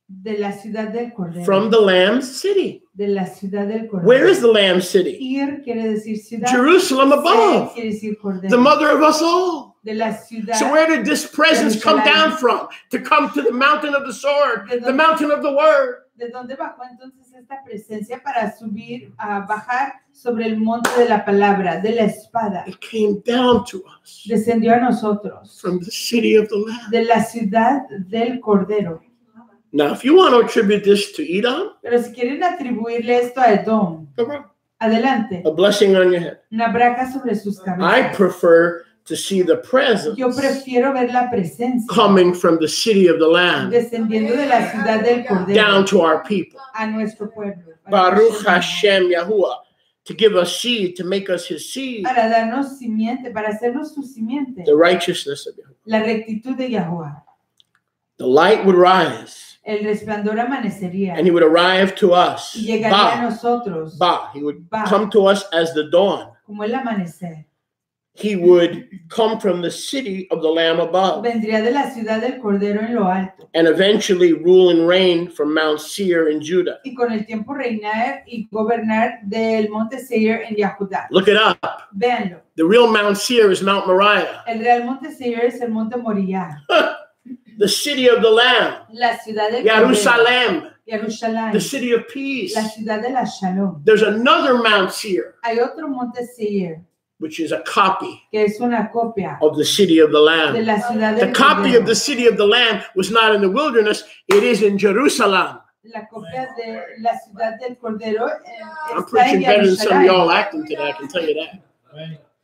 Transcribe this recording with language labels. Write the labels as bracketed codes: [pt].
[es] de la ciudad del Cordero. [en] From the Lamb's city. [es] De la ciudad del Cordero. [en] Where is the Lamb's city? [es] Ir quiere decir ciudad. [en] Jerusalem above. [es] Se quiere decir Cordero. [en] The mother of us all. [es] De la ciudad. [en] So where did this presence come down from? To come to the mountain of the sword, the mountain of the word. [es] ¿De dónde bajó entonces esta presencia para subir a bajar sobre el monte de la palabra, de la espada? [en] It came down to us. [es] Descendió a nosotros. [en] From the city of the Lamb. [es] De la ciudad del Cordero. [en] Now, if you want to attribute this to Edom, [es] pero si quieren atribuirle esto a Edom, adelante. [en] A blessing on your head. [es] Una braca sobre sus cabezas. [en] I prefer to see the presence. [es] Yo prefiero ver la presencia. [en] Coming from the city of the Lamb. [es] Descendiendo de la ciudad del Cordero. [en] Down to our people. [es] A nuestro pueblo. [he] Baruch Hashem [en] Yahuwah, to give us seed, to make us His seed. [es] Para darnos simiente, para hacernos su simiente. [en] The righteousness of Yahuwah. [es] La rectitud de Yahuwah. [en] The light would rise. [es] El resplandor amanecería. [en] And he would arrive to us. [es] Y llegaría a nosotros. Bah. [en] He would come to us as the dawn. [es] Como el amanecer. [en] He would come from the city of the Lamb above. [es] Vendría de la ciudad del Cordero en lo alto. [en] And eventually rule and reign from Mount Seir in Judah. [es] Y con el tiempo reinar y gobernar del Monte Seir en Yahudá. [en] Look it up. [es] Véanlo. [en] The real Mount Seir is Mount Moriah. [es] El real Monte Seir es el Monte Moriah. [en] The city of the Lamb. [es] La ciudad del [en] Jerusalem. [es] Jerusalem. [en] The city of peace. [es] La ciudad de la Shalom. [en] There's another Mount Seir. [es] Hay otro Monte Seir. [en] Which is a copy. [es] Que es una copia. [en] Of the city of the Lamb. [es] De la ciudad [en] the copy Cordero. Of the city of the Lamb was not in the wilderness. It is in Jerusalem. [es] La copia de la ciudad del Cordero está [en] I'm preaching [es] en [en] better than some of y'all acting today, I can tell you that.